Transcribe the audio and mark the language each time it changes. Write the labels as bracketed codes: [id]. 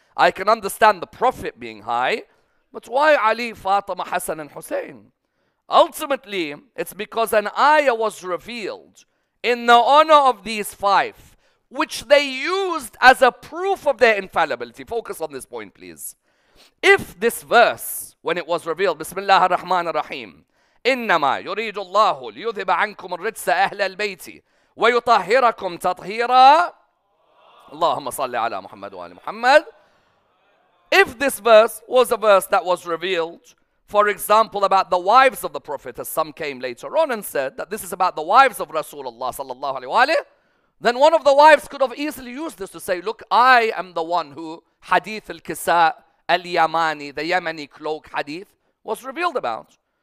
[en] I can understand the Prophet being high, but why Ali, Fatima, Hassan and Hussein? Ultimately, it's because an ayah was revealed in the honor of these five, which they used as a proof of their infallibility. Focus on this point, please. If this verse, when it was revealed, [ar] Bismillah ar-Rahman ar-Rahim, إِنَّمَا يُرِيدُ اللَّهُ لِيُذْهِبَ عَنْكُمْ الرِّجْسَ أَهْلَ الْبَيْتِ وَيُطَهِّرَكُمْ تَطْهِيرًا اللهم صل على محمد وآل محمد. [en] If this verse was a verse that was revealed, for example, about the wives of the Prophet, as some came later on and said that this is about the wives of Rasulullah sallallahu alayhi wa alayhi, then one of the wives could have easily used this to say, look, I am the one who Hadith al-Kisa Al-Yamani, the Yemeni cloak hadith, was revealed about.